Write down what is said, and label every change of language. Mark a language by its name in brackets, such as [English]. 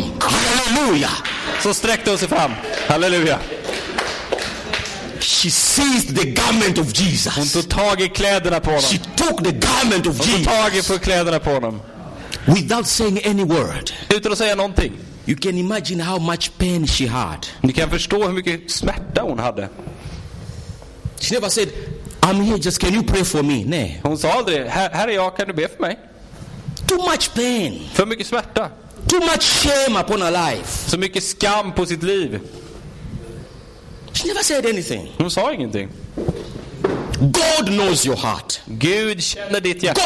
[Swedish] Halleluja. Så sträckte hon sig fram. Halleluja. [English] She seized the garment of Jesus. [Swedish] Hon tog tag i kläderna på honom. [English] She took the garment of Jesus. [Swedish] Hon tog tag i kläderna på honom. [English] Without saying any word. [Swedish] Utan att säga någonting. [English] You can imagine how much pain she had. [Swedish] Ni kan förstå hur mycket smärta hon hade. [English] She never said, I'm here, just can you pray for me? [Swedish] Nej. Hon sa aldrig, här är jag, kan du be för mig? [English] Too much pain. [Swedish] För mycket smärta. [English] Too much shame upon her life. [Swedish] Så mycket skam på sitt liv. [English] She never said anything. [Swedish] Hon sa ingenting. [English] God knows your heart. [Swedish] Gud känner ditt hjärta.